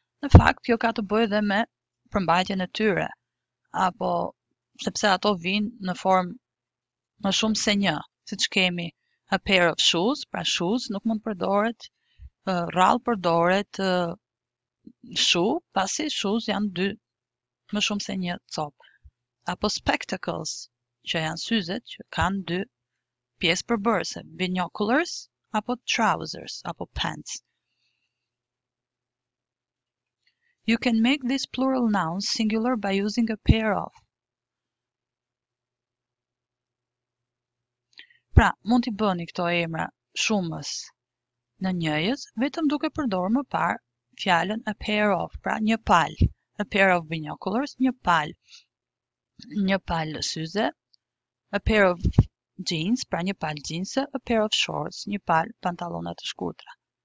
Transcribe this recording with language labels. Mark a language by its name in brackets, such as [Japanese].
[Albanian] Në fakt, kjo ka të bëjë dhe me përmbajtjen e tyre, apo sepse ato vinë në form më shumë se një, siç kemi [English] a pair of shoes, [Albanian] pra shoes nuk mund përdoret, rrallë përdoret, shoe, pasi shoes janë dy më shumë se një copë. Apo spectacles, që janë syzet, që kanë dy pjesë përbërëse, binoculars, apo trousers, apo pants. [English] You can make this plural noun singular by using a pair of. [Albanian] Pra, mund t'i bëni këto emra shumës në njëjës, vetëm duke përdorë më parë fjallën [English] a pair of, [Albanian] pra një palë, [English] A pair of binoculars, [Albanian] një pal syze, [English] a pair of jeans, [Albanian] pra një pal jeansë, [English] a pair of shorts, [Albanian] një pal pantallona të shkurtra.